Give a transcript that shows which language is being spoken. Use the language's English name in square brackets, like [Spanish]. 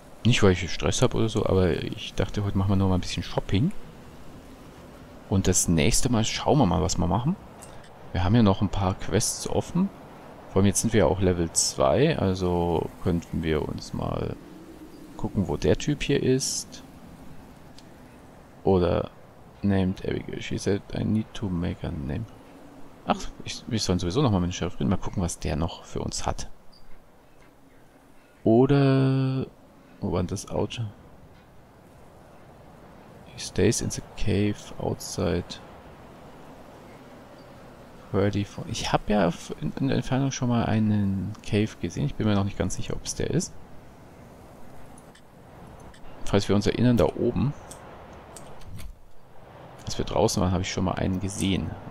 [German] Nicht, weil ich Stress habe oder so, aber ich dachte, heute machen wir nur mal ein bisschen Shopping. Und das nächste Mal schauen wir mal, was wir machen. Wir haben ja noch ein paar Quests offen. Vor allem jetzt sind wir ja auch Level 2, also könnten wir uns mal gucken, wo der Typ hier ist. Oder named Abigail. [English] She said, I need to make a name. [German] Ach, ich soll sowieso nochmal mit dem Sheriff reden. Mal gucken, was der noch für uns hat. Oder... Wo war das Auto? [English] He stays in the cave outside. 34. [German] Ich habe ja in der Entfernung schon mal einen Cave gesehen. Ich bin mir noch nicht ganz sicher, ob es der ist. Falls wir uns erinnern, da oben. Als wir draußen waren, habe ich schon mal einen gesehen.